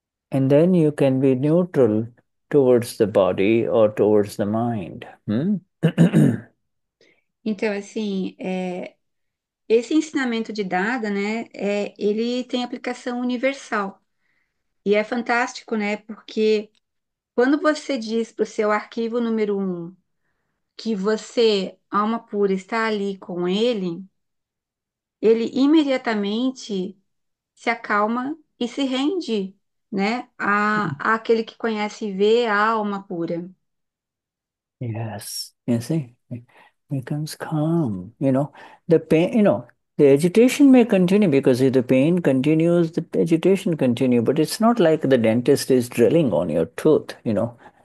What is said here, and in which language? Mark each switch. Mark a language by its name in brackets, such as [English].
[English] And then you can be neutral towards the body or towards the mind. [Portuguese] Então, assim, esse ensinamento de Dada, né, ele tem aplicação universal. E é fantástico, né, porque quando você diz para o seu arquivo número 1 que você, alma pura, está ali com ele imediatamente se acalma e se rende, né, àquele que conhece e vê a alma pura. [English] Yes, you see, it becomes calm. You know, the pain, you know, the agitation may continue because if the pain continues, the agitation continue. But it's not like the dentist is drilling on your tooth, you know.